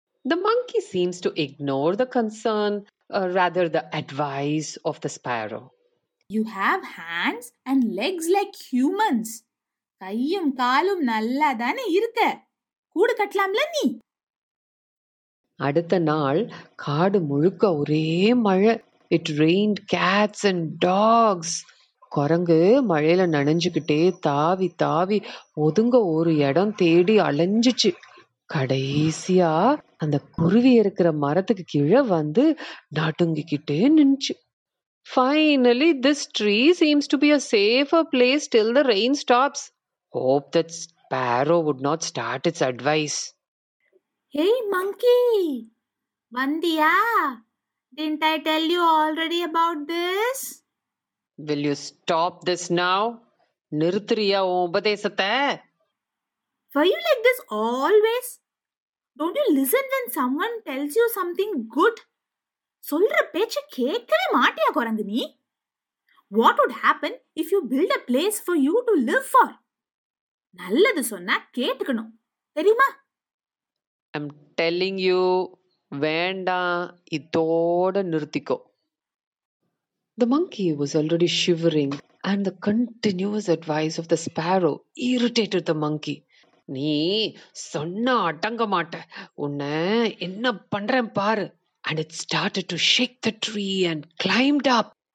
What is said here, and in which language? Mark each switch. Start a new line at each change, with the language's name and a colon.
English: The monkey seems to ignore the concern, or rather the advice of the sparrow. You have hands and legs like humans.
Tamil: கையும் காலும் நல்லா தானே இருக்க, கூடு கட்டலாம்ல நீ? அடுத்த நாள் காடு முழுக்க ஒரே மழை.
English: It rained cats and dogs.
Tamil: குரங்கு மழையில நனைஞ்சுக்கிட்டே தாவி தாவி ஒதுங்க ஒரு இடம் தேடி அலைஞ்சிச்சு. கடைசியா அந்த குருவி இருக்கிற மரத்துக்கு கீழே வந்து நடுங்கிக்கிட்டே நின்றுச்சு.
English: Finally, this tree seems to be a safer place till the rain stops. Hope that sparrow would not start its advice. Hey, monkey! Vandiya! Didn't I tell you already about this? Will you stop this now?
Tamil: Nirthriya obadesate?
English: Why you like this always? Don't you listen when someone tells you something good?
Tamil: சொல்ற பேச்ச கேட்கவே மாட்டியா குரங்கு நீ?
English: What would happen if you build a place for you to live for?
Tamil: நல்லது சொன்னா கேட்டுக்கணும், தெரியுமா?
English: I am telling you,
Tamil: வேண்டாம், இதோட நிறுத்திக்கோ.
English: The monkey was already shivering and the continuous advice of the sparrow irritated the monkey.
Tamil: நீ சொன்ன அடங்க மாட்டே, உன்னை என்ன பண்றேன் பாரு.
English: And it started to shake the tree and climbed up.